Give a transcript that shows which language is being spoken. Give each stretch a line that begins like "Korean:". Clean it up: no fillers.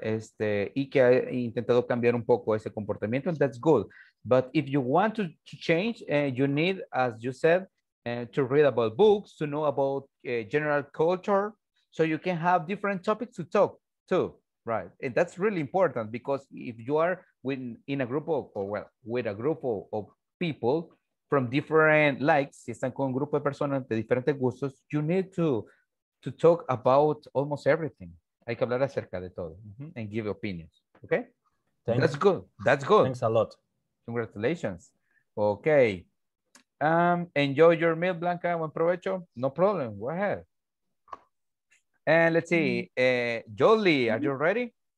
Spanish: Este, y que ha intentado cambiar un poco ese comportamiento.
English: And that's good. But if you want to change, you need, as you said, to read about books, to know about general culture, so you can have different topics to talk to. Right. And that's really important because if you are in a group of, or well, with a group of people from different likes,
Spanish: si están con un grupo de personas de diferentes gustos,
English: you need to talk about almost everything.
Spanish: Hay que hablar acerca de todo, mm-hmm.
English: And give opinions. Okay. Thanks. That's good. That's good. Thanks a lot. Congratulations. Okay. Enjoy your meal, Blanca.
Spanish: Buen provecho.
English: No problem. Go ahead. And let's see, Jolie, are you ready?